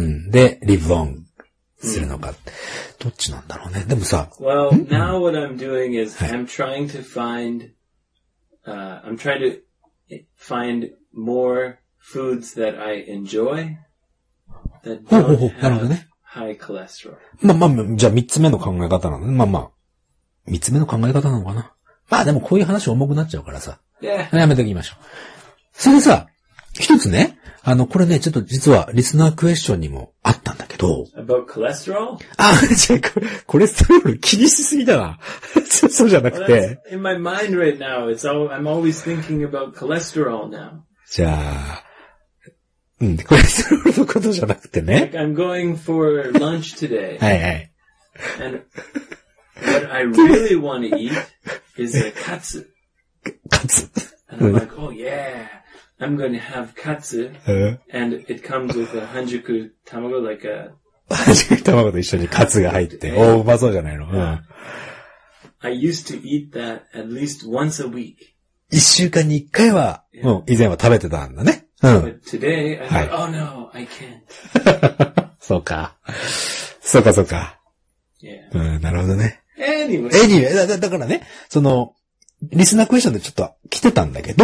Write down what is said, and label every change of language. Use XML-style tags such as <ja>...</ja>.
<ja>で、</ja> <en>live long</en> <ja>するのか。どっちなんだろうね。でもさ。</ja> <en>Well, now what I'm doing is, I'm trying to find, I'm trying to find more foods that I enjoy that don't have high cholesterol.</en> <ja>まあまあ、じゃあ三つ目の考え方なのね。まあまあ。三つ目の考え方なのかな。まあでもこういう話重くなっちゃうからさ。</ja> <en>Yeah.</en> <ja>やめておきましょう。それさ、一つね、これね、ちょっと実はリスナークエスチョンにもあったんだけど。</ja> <en>About cholesterol?</en> <ja>あ、じゃあコレステロール気にしすぎだな。そうじゃなくて。</ja> <en>Well, in my mind right now, I'm always thinking about cholesterol now.</en> <ja>じゃあ、コレステロールのことじゃなくてね。</ja> <en>Like、I'm going for lunch today.</en> <ja>はいはい。</ja> <en>And what I really want to eat is a katsu.</en> <ja>Katsu.</ja> <en>And I'm like, oh yeah, I'm going to have katsu. And it comes with a hanjuku tamago, like a...</en> <ja>hanjuku tamago と一緒にカツが入って。おー、うまそうじゃないの。</ja> <en>I used to eat that at least once a week.</en> <ja>一週間に一回は、もう以前は食べてたんだね。うん。</ja> <en>But today, I thought, oh no, I can't.</en> <ja>そうか。そうかそうか。</ja> <en>Yeah.</en> <ja>うん、なるほどね。</ja> <en>Anyway.</en> <ja>だからね、その、リスナークエスチョンでちょっと来てたんだけど。</ja>